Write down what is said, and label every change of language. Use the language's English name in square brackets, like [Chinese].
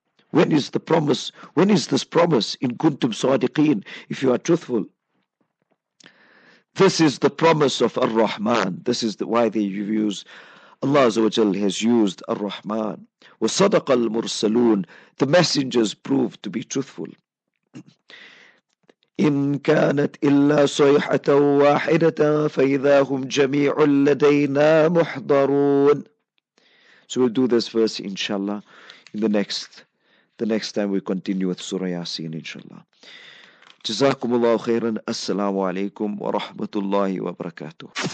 [English] When is the promise? When is this promise? [Arabic] In kuntum sadiqeen, [English] if you are truthful. This is the promise of Ar-Rahman. This is why they use, Allah Azawajal has used Ar-Rahman. [Arabic] Wa sadaqa al-mursaloon, [English] the messengers proved to be truthful. [Arabic] إن كانت إلا صيحة واحدة فإذا هم جميع لدينا محضرون. [English] So we'll do this verse inshallah in the next time we continue with Surah Yasin inshallah. [Arabic] جزاكم الله خيرا السلام عليكم ورحمة الله وبركاته.